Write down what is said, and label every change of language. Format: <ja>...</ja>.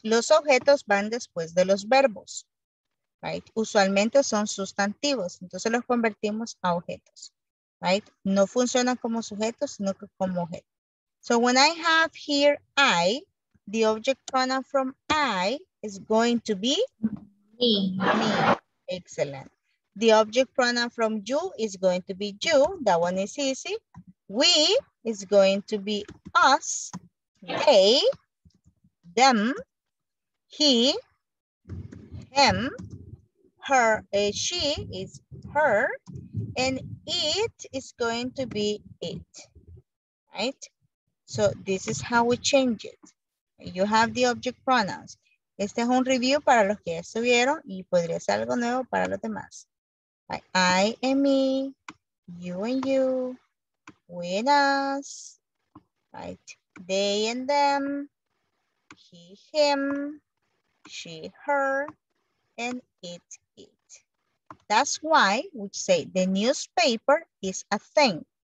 <es>Los objetos van después de los verbos, right? Usualmente son sustantivos, entonces los convertimos a objetos, right? No funcionan como sujetos, sino que como objeto.</es> <en>So when I have here I, the object pronoun from I is going to be me. Me. Excellent. The object pronoun from you is going to be you. That one is easy. We is going to be us. They, them, he, him, her, she is her, and it is going to be it. Right? So this is how we change it. You have the object pronouns.</en> <es>Este es un review para los que ya estuvieron y podría ser algo nuevo para los demás.</es> <en>I and me, you, we and us, right? They and them, he, him, she, her, and it. That's why we say the newspaper is a thing.</en>